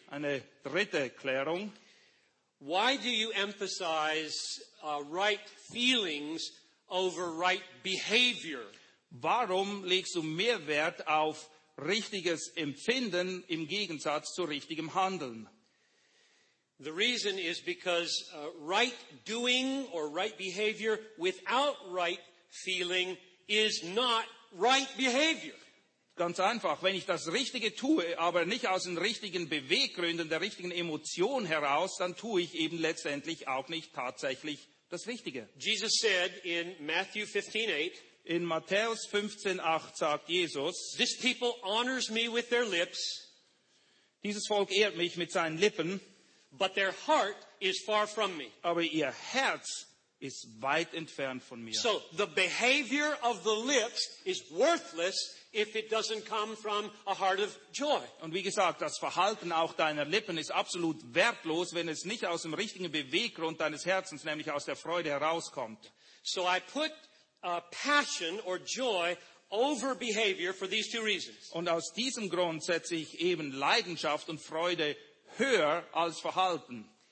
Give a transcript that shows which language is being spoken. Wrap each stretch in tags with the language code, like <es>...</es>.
<de>Eine dritte Klärung.</de> <en>Why do you emphasize right feelings over right behavior?</en> <de>Warum legst du mehr Wert auf richtiges Empfinden im Gegensatz zu richtigem Handeln?</de> <en>The reason is because right doing or right behavior without right feeling is not right behavior.</en> <de>Ganz einfach, wenn ich das Richtige tue, aber nicht aus den richtigen Beweggründen, der richtigen Emotion heraus, dann tue ich eben letztendlich auch nicht tatsächlich das Richtige.</de> <en>Jesus said in Matthew 15:8,</en> <de>in Matthäus 15:8 sagt Jesus,</de> <en>this people honors me with their lips.</en> <de>Dieses Volk ehrt mich mit seinen Lippen.</de> <en>But their heart is far from me.</en> <de>Aber ihr Herz ist weit entfernt von mir.</de> <en>So the behavior of the lips is worthless if it doesn't come from a heart of joy.</en> <de>Und wie gesagt, das Verhalten auch deiner Lippen ist absolut wertlos, wenn es nicht aus dem richtigen Beweggrund deines Herzens, nämlich aus der Freude herauskommt.</de> <en>So I put passion or joy over behavior for these two reasons.</en> <de>Und aus diesem Grund setze ich eben Leidenschaft und Freude höher als Verhalten.</de>